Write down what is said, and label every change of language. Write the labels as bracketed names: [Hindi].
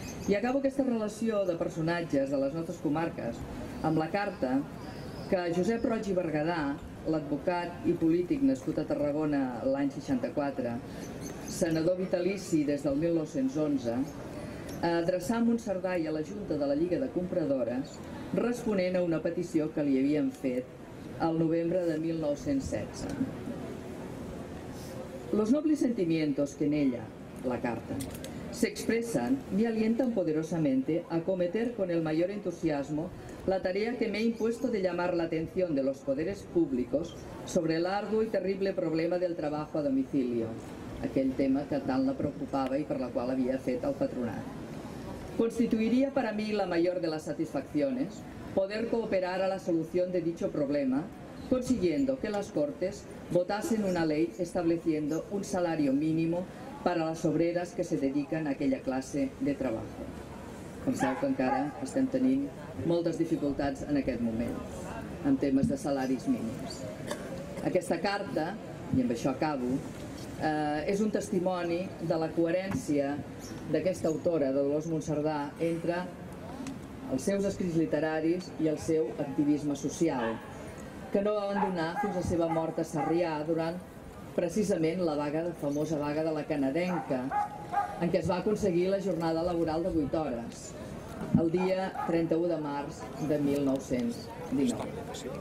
[Catalan] I acabo aquesta relació de personatges de les nostres comarques amb la carta que Josep Roig i Berguedà, l'advocat i polític nascut a Tarragona l'any 64, senador vitalici des del 1911, adreçar a Montserdà i a la Junta de la Lliga de Compradores responent a una petició que li havien fet el novembre de 1916. [Spanish] Los nobles sentimientos que en ella, la carta, se expresan me alientan poderosamente a cometer con el mayor entusiasmo la tarea que me he impuesto de llamar la atención de los poderes públicos sobre el arduo y terrible problema del trabajo a domicilio, aquel tema que [Catalan] tant la preocupava i per la qual havia fet el patronat. [Spanish] Constituiría para mí la mayor de las satisfacciones poder cooperar a la solución de dicho problema, consiguiendo que las Cortes votasen una ley estableciendo un salario mínimo para las obreras que se dedican a aquella clase de trabajo. [Catalan] Penseu que encara estem tenint moltes dificultats en aquest moment, en temes de salaris mínims. Aquesta carta, i amb això acabo, és un testimoni de la coherència d'aquesta autora, de Dolors Montserdà, entre els seus escrits literaris i el seu activisme social, que no va abandonar fins a la seva mort a Sarrià durant precisament la vaga, la famosa vaga de la Canadenca, en què es va aconseguir la jornada laboral de 8 hores, el dia 31 de març de 1919.